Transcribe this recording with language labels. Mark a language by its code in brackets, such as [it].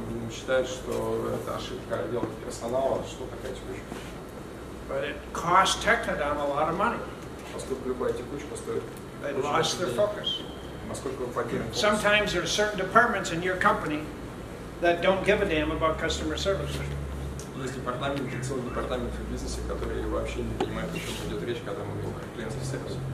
[ru] Считаю, что это ошибка отдела персонала, что такая текучка. [en] But it cost Tekadam a lot of money. [ru] Поскольку любая текучка стоит. [en] They lost their focus. [ru] Насколько вы потеряли. [en] Sometimes there are certain departments in your company that don't give a damn about customer service. [ru] Есть департаменты, целые департаменты в бизнесе, которые вообще не понимают, о чем идет речь, когда мы говорим о клиентском сервисе.